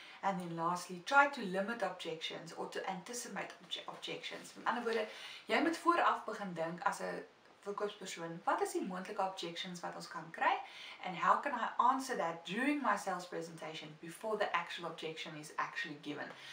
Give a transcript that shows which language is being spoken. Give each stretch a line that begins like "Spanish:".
English: And then lastly, try to limit objections or to anticipate objections.
Afrikaans: In ander woorde, jy moet vooraf begin dink as 'n verkoopspersoon, wat is die moontlike objections wat ons kan kry?
English: And how can I answer that during my sales presentation before the actual objection is actually given?